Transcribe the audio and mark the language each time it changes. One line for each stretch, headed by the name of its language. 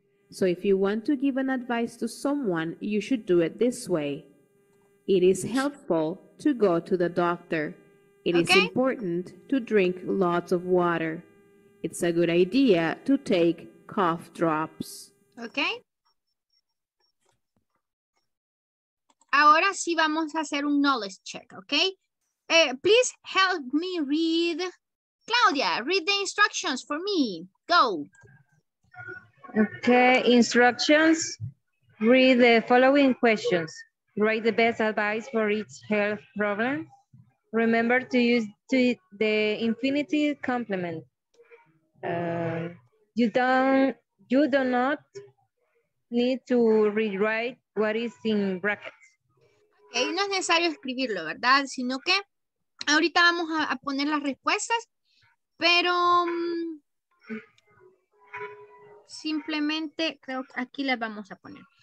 English: So if you want to give an advice to someone, you should do it this way. It is helpful to go to the doctor. It okay. is important to drink lots of water. It's a good idea to take cough drops. Okay.
Spanish: Ahora sí vamos a hacer un knowledge check, okay?
English: Please help me read. Claudia, read the instructions for me. Go. Okay, instructions. Read the following questions. Write the best advice for each health problem. Remember to use the infinitive complement. You do not need to rewrite what is in brackets.
Spanish: Okay, no es necesario escribirlo, ¿verdad? Sino que ahorita vamos a poner las respuestas, pero simplemente creo que aquí las vamos a poner.